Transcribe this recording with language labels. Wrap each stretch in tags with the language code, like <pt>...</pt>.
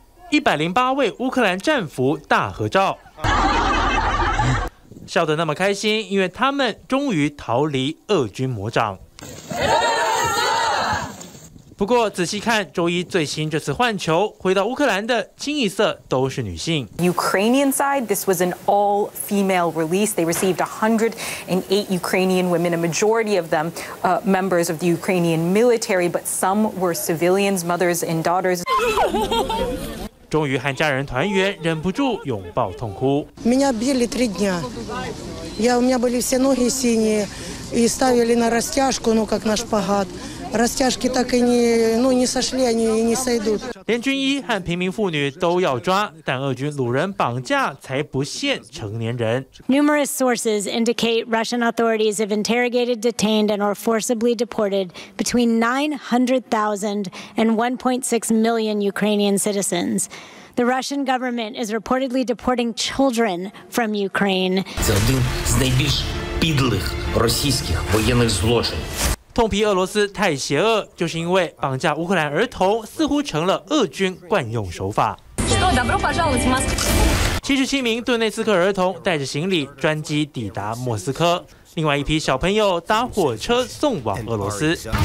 <zh>108位乌克兰战俘大合照，笑得那么开心，因为他们终于逃离俄军魔掌。不过仔细看周一最新这次换球回到乌克兰的，清一色都是女性。</zh> <en>Ukrainian side, this was an all-female release. They received 108 Ukrainian women, a majority of them members of the Ukrainian military, but some were civilians, mothers and daughters.</en> <zh>终于和家人团圆，忍不住拥抱痛哭。</zh> <ru>Меня били 3 дня, я у меня были все ноги синие и ставили на растяжку, ну как на шпагат. Растяжки так и не, ну не сошли они и не сойдут.</ru> <zh>连军医和平民妇女都要抓，但俄军掳人绑架才不限成年人。</zh> <en>Numerous sources indicate Russian authorities have interrogated, detained, and or forcibly deported between 900,000 and 1.6 million Ukrainian citizens. The Russian government is reportedly deporting children from Ukraine.</en> <uk>Це один з найбільш підлих російських воєнних злочинів。</uk> <zh>痛批俄罗斯太邪恶，就是因为绑架乌克兰儿童似乎成了俄军惯用手法。 77名顿内茨克儿童带着行李专机抵达莫斯科，另外一批小朋友搭火车送往俄罗斯。</zh>